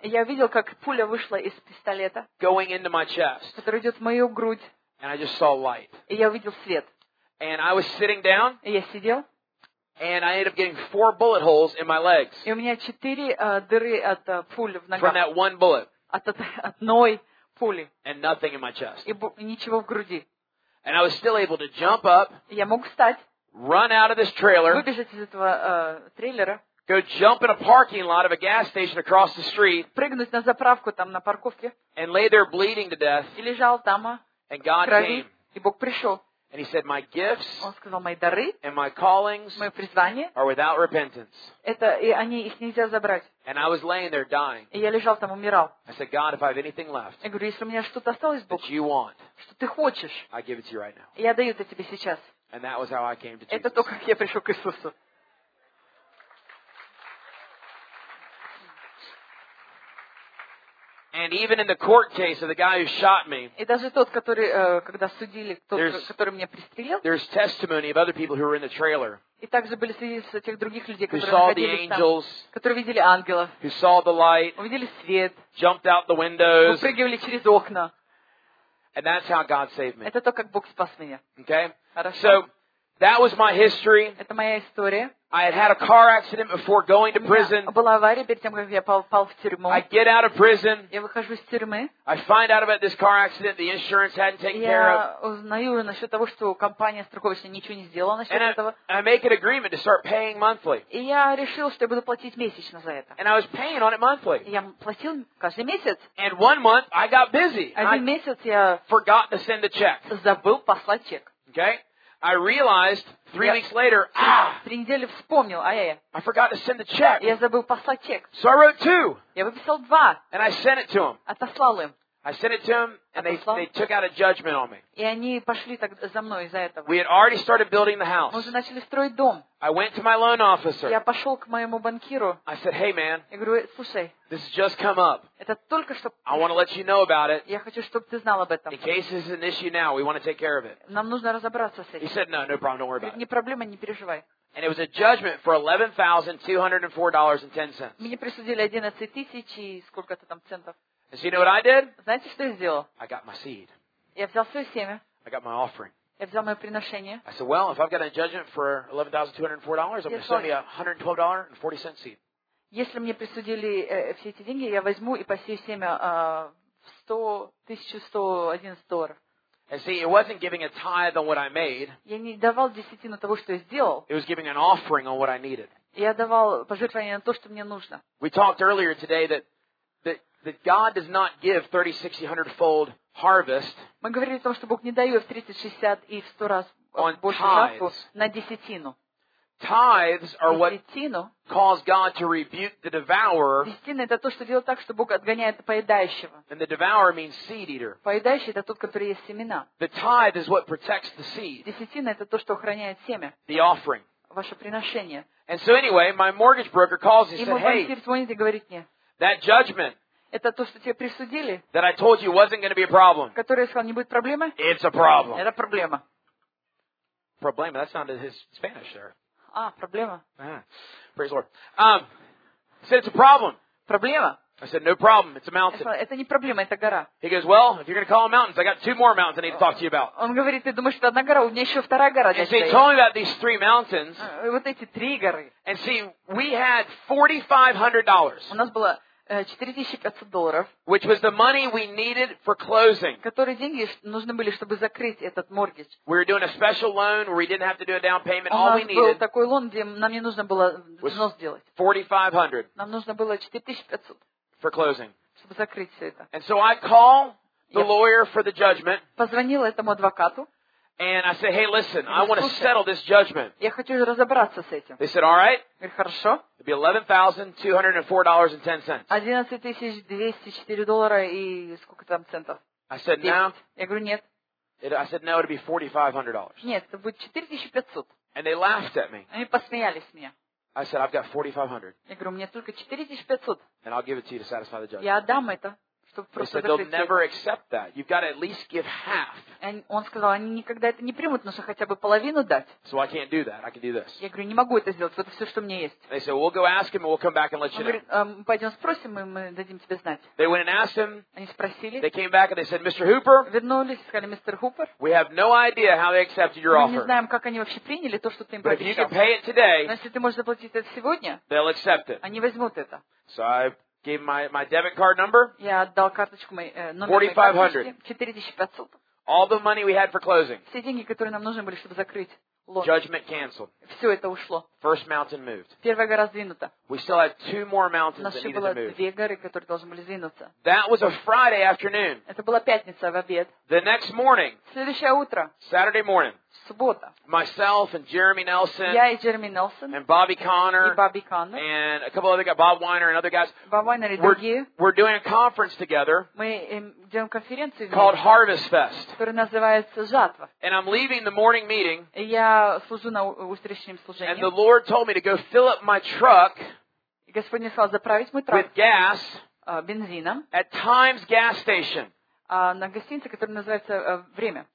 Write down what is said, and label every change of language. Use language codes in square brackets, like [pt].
[ru] И я видел, как пуля вышла из пистолета. [en] Going into my chest. [ru] Которая идет в мою грудь. [en] And I just saw light. [ru] И я увидел свет. [en] And I was sitting down. [ru] И я сидел. [en] And I ended up getting 4 bullet holes in my legs. [ru] И у меня 4 дыры от пуль в ногах. [en] From that one bullet. [ru] От одной пули. [en] And nothing in my chest. [ru] И ничего в груди. [en] And I was still able to jump up. [ru] Я мог встать. [en] Run out of this trailer. [ru] Выбежать из этого трейлера. [en] Go jump in a parking lot of a gas station across the street. [ru] Прыгнуть на заправку там на парковке. [en] And lay there bleeding to death. [ru] И лежал там. [en] And God came. [ru] И Бог пришел. [en] And he said, "My gifts [ru] сказал, мои дары, [en] and my callings [ru] мои призвания, [en] are without repentance." [ru] Это и они их нельзя забрать. [en] And I was laying there dying. [ru] И я лежал там умирал. [en] I said, "God, if I have anything left, [ru] я говорю, если у меня что-то осталось, Бог, [en] that you want, [ru] что ты хочешь, [en] I give it to you right now." [ru] Я даю это тебе сейчас. [en] And that was how I came to Jesus. [ru] Это то, как я пришел к Иисусу. [en] And even in the court case of the guy who shot me, [ru] и даже тот, который, когда судили, тот, который меня пристрелил, [en] there's testimony of other people who were in the trailer. [ru] И также были свидетельства тех других людей, которые [en] saw the angels, [ru] которые видели ангелов, [en] who saw the light, [ru] увидели свет, [en] jumped out the windows, [ru] выпрыгивали через окна. [en] And that's how God saved me. [ru] Это то, как Бог спас меня. [en] Okay. [ru] Хорошо. [en] So that was my history. [ru] Это моя история. [en] I had had a car accident before going to prison. [ru] У меня была авария перед тем, как я попал в тюрьму. [en] I get out of prison. [ru] Я выхожу из тюрьмы. [en] I find out about this car accident the insurance hadn't taken care of. [ru] Я узнаю насчет того, что компания страховочная ничего не сделала насчет этого. [en] And I make an agreement to start paying monthly. [ru] И я решил, что я буду платить месячно за это. [en] And I was paying on it monthly. [ru] Я платил каждый месяц. [en] And one month I got busy. [ru] Один месяц я [en] forgot to send the check. [ru] Забыл послать чек. [en] Okay? I realized three weeks later, [ru] Три недели вспомнил, [en] I forgot to send the check. [ru] Я забыл послать чек. [en] So I wrote two. [ru] Я выписал два. [en] And I sent it to him. [ru] Отослал им. [en] I sent it to him, and they took out a judgment on me. [ru] И они пошли так за мной из-за этого. [en] We had already started building the house. [ru] Мы уже начали строить дом. [en] I went to my loan officer. [ru] Я пошел к моему банкиру. [en] I said, "Hey, man." [ru] Я говорю, слушай. [en] This has just come up. [ru] Это только что. [en] I want to let you know about it. [ru] Я хочу, чтобы ты знал об этом. [en] In case this is an issue now, we want to take care of it. [ru] Нам нужно разобраться с этим. [en] He said, "No, no problem. Don't worry about it." [ru] Не проблема, не переживай. [en] And it was a judgment for $11,204.10. [ru] Мне присудили 11 000 и сколько-то там центов. [en] And so you know what I did? [ru] Знаете, что я сделал? [en] I got my seed. [ru] Я взял свое семя. [en] I got my offering. [ru] Я взял мое приношение. [en] I said, "Well, if I've got a judgment for $11,204, I'm going to send me $112.40 seed." [ru] Если мне присудили все эти деньги, я возьму и посею семя в 1111 долларов. [en] And see, it wasn't giving a tithe on what I made. [ru] Я не давал десятину того, что я сделал. [en] It was giving an offering on what I needed. [ru] Я давал пожертвование на то, что мне нужно. [en] We talked earlier today that that God does not give 30-60-100-fold harvest. [ru] Мы говорили о том, что Бог не дает 30-60 и в 100 раз больше на десятину. [en] Tithes are what cause God to rebuke the devourer. [ru] Десятина — это то, что делает так, что Бог отгоняет поедающего. [en] And the devourer means seed eater. [ru] Поедающий — это тот, который ест семена. [en] The tithe is what protects the seed. [ru] Десятина — это то, что охраняет семя. [en] The offering. [ru] Ваше приношение. [en] And so anyway, my mortgage broker calls and said, [ru] И мой банкир звонит и говорит мне. [en] That judgment. [ru] Это то, что тебе присудили. [en] That I told you wasn't going to be a problem. [ru] Которое я сказал, не будет проблемы. [en] It's a problem. [ru] Это проблема. [es] Problema. [en] That sounded his Spanish there. [es] Ah, problema. [en] Ah, praise the Lord. Said it's a problem. [ru] Проблема. [en] I said no problem. It's a mountain. [ru] Это не проблема, это гора. [en] He goes, well, if you're going to call them mountains, I got two more mountains I need to talk to you about. [ru] Он говорит, ты думаешь, это одна гора, у меня еще вторая гора. [en] And so he told me about these three mountains. [ru] Вот эти три горы. [en] And see, we had $4,500. [ru] У нас было 4500 долларов. [en] Which was the money we needed for closing. [ru] Которые деньги нужны были, чтобы закрыть этот моргидж. [en] We were doing a special loan where we didn't have to do a down payment. All we needed. [ru] У нас был такой лон, где нам не нужно было взнос сделать. [en] $4,500. [ru] Нам нужно было 4500. [en] For closing. [ru] Чтобы закрыть все это. [en] And so I call the lawyer for the judgment. [ru] Позвонил этому адвокату. [en] And I said, hey, listen, I want to settle this judgment. [ru] Я хочу разобраться с этим. [en] They said, all right. [ru] Говорю, хорошо. [en] It'd be $11,204.10. [ru] 11204 доллара и сколько там центов? [en] I said, no. [ru] Я говорю, нет. [en] I said, no, it'd be $4,500. [ru] Нет, это будет 4500. [en] And they laughed at me. [ru] Они посмеялись мне. [en] I said, I've got 4,500. [ru] Я говорю, у меня только 4500. [en] And I'll give it to you to satisfy the judgment. [ru] Я отдам это. [en] They said they'll never accept that. You've got to at least give half. And [ru] он сказал, они никогда это не примут, но что хотя бы половину дать. [en] So I can't do that. I can do this. [ru] Я говорю, не могу это сделать. Вот это все, что мне есть. [en] They said, we'll go ask him and we'll come back and let you know. [ru] Пойдем спросим и мы дадим тебе знать. [en] They went and asked him. [ru] Они спросили. [en] They came back and they said, Mr. Hooper. [ru] Вернулись и сказали, мистер Хупер. [en] We have no idea how they accepted your offer. [ru] Мы не знаем, как они вообще приняли то, что ты им пообещал. [en] But if you can pay it today, [ru] но если ты можешь заплатить это сегодня, [en] they'll accept it. [ru] Они возьмут это. [en] So I gave him my debit card number. [ru] Я отдал карточку мой номер. [en] 4,500. All the money we had for closing. [ru] Все деньги, которые нам нужны были, чтобы закрыть лон. [en] Judgment canceled. [ru] Все это ушло. [en] First mountain moved. [ru] Первая гора сдвинута. [en] We still had two more mountains that needed to move. [ru] У нас еще было две горы, которые должны были сдвинуться. [en] That was a Friday afternoon. [ru] Это была пятница в обед. [en] The next morning. [ru] Следующее утро. [en] Saturday morning. [ru] Суббота. [en] Myself and Jeremy Nelson. [ru] Я и Джереми Нелсон. [en] And Bobby Connor. [ru] И Бобби Коннор. [en] And a couple other guys, Bob Weiner and other guys. [ru] Bob Weiner и другие. [en] We're doing a conference together. [ru] Мы делаем конференцию. [en] Called Harvest Fest. [ru] Которая называется Жатва. [en] And I'm leaving the morning meeting. [ru] Я служу на утреннем служении. [en] And the Lord told me to go fill up my truck. [ru] Господь мне сказал заправить мой трак. [en] With gas. [ru] Бензином. [en] At Times gas station. [ru] На гостинице, которая называется «Время».